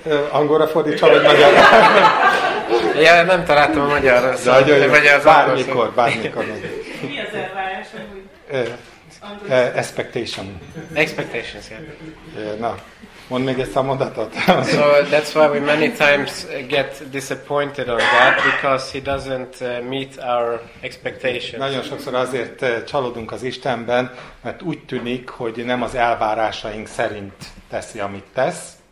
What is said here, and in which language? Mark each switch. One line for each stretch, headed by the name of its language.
Hungarian: angolra fordítsa, vagy magyarra? Ja, nem találtam a magyarra. Szóval nagyon jó, vagy az bármikor, bármikor. Mi az elvárás,
English: Expectation. Expectations, yeah.
Hungarian: Na, mondd még ezt a mondatot.
English: So that's why we many times get disappointed on God, because he doesn't meet our expectations.
Hungarian: Nagyon sokszor azért csalódunk az Istenben, mert úgy tűnik, hogy nem az elvárásaink szerint teszi, amit tesz.